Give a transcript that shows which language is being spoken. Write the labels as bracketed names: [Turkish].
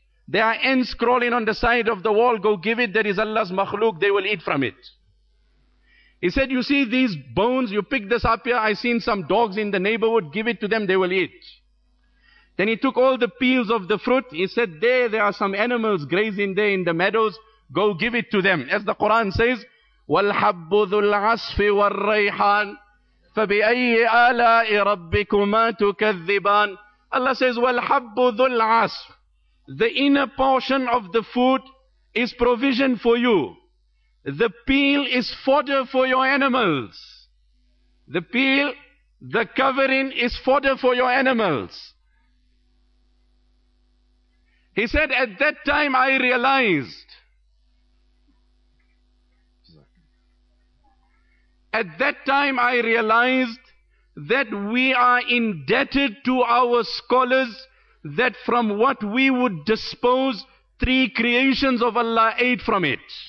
[English] There are ants crawling on the side of the wall. Go give it. There is Allah's makhluk. They will eat from it. He said, you see these bones. You pick this up here. I seen some dogs in the neighborhood. Give it to them. They will eat. Then he took all the peels of the fruit. He said, there are some animals grazing there in the meadows. Go give it to them. As the Quran says, [Arabic] وَالْحَبُّ ذُو الْعَصْفِ وَالْرَّيْحَانِ فَبِأَيِّ آلَاءِ رَبِّكُمَا تُكَذِّبَانِ. [English] Allah says, [Arabic] وَالْحَبُّ ذُو الْعَصْفِ. [English] The inner portion of the food is provision for you. The peel is fodder for your animals. The peel, the covering is fodder for your animals. He said, at that time I realized, at that time I realized that we are indebted to our scholars, that from what we would dispose, three creations of Allah ate from it.